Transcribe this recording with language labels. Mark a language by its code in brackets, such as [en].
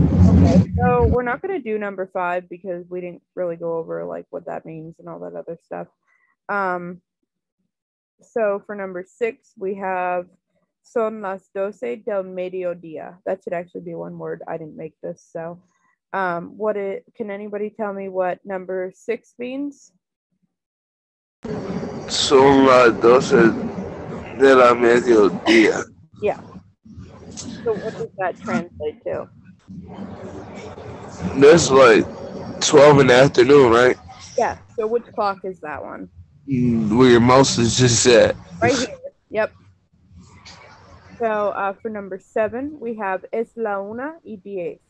[en] Okay, so we're not going to do number five because we didn't really go over like what that means and all that other stuff. So for number six, we have [es] son las doce del mediodía. [en] That should actually be one word. I didn't make this. So can anybody tell me what number six means? [es] Son las doce del mediodía. [en] Yeah. So what does that translate to? That's like 12 in the afternoon, right? Yeah. So which clock is that one? Where your mouse is just at. Right here. Yep. So for number seven, we have [es] Es la una y diez.